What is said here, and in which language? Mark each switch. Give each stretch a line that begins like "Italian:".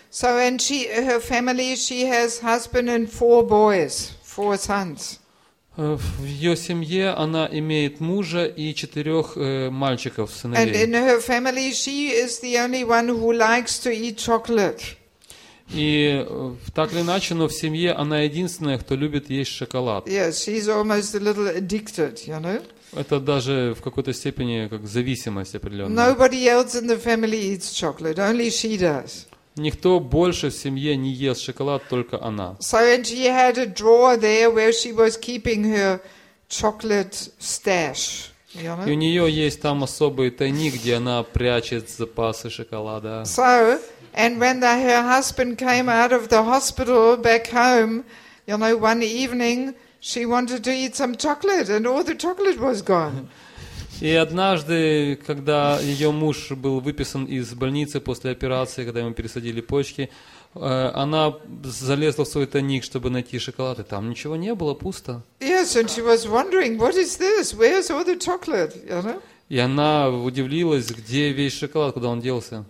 English: So and she, her family, she has husband and four boys, four sons.
Russian: В ее семье она имеет мужа и четырех мальчиков, сыновей.
English: And in her family, she is the only one who likes to eat chocolate.
Russian: И так или иначе, но в семье она единственная, кто любит есть шоколад.
English: Yes, she's almost a little addicted, you know?
Russian: Это даже в какой-то степени как зависимость определенная.
English: Nobody else in the family eats chocolate, only she does.
Russian: Никто больше в семье не ест шоколад, только она.
English: So and she had a drawer there where she was keeping her chocolate stash.
Russian: И у нее есть там особый тайник, где она прячет запасы шоколада.
English: So, and when her husband came out of the hospital back home, you know, one evening, she wanted to eat some chocolate, and all the chocolate was gone.
Russian: И однажды, когда ее муж был выписан из больницы после операции, когда ему пересадили почки, она залезла в свой тайник, чтобы найти шоколад, и там ничего не было, пусто.
English: Yes, and she was wondering, what is this? Where's all the chocolate? You know?
Russian: И она удивилась, где весь шоколад, куда он делся.